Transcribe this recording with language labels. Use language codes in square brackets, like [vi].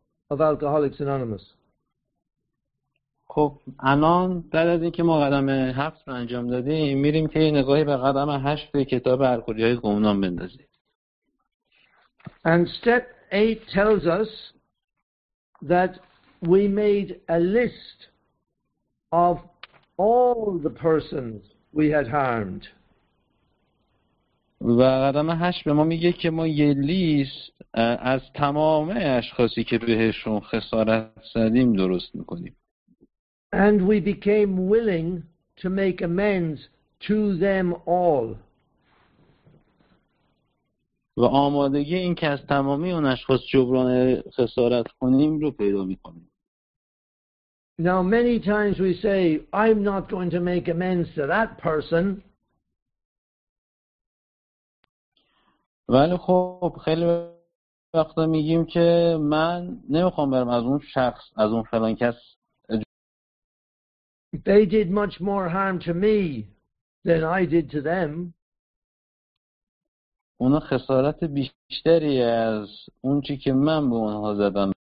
[en] Of Alcoholics Anonymous. [fa] خب الان بعد از اینکه ما قدم 7 رو انجام دادیم میریم که نگاهی به قدم 8 توی کتاب الکلی‌های گمنام بندازیم. [en] And step 8 tells us that we made a list of all the persons we had harmed. [fa] و قدم 8 به ما میگه که ما یه لیست از تمام اشخاصی که بهشون خسارت زدیم درست میکنیم. [en] And we became willing to make amends to them all. [fa] و آمادگی این که از تمامی اون اشخاص جبران خسارت کنیم رو پیدا میکنیم. [en] Now many times we say I'm not going to make amends to that person. [fa] ولی خب خیلی وقتا میگیم که من نمیخوام برم از اون شخص از اون فلان کس [en] They did much more harm to me than I did to them. [fa] اونا خسارت بیشتری از اون چی که من به اونها زدم.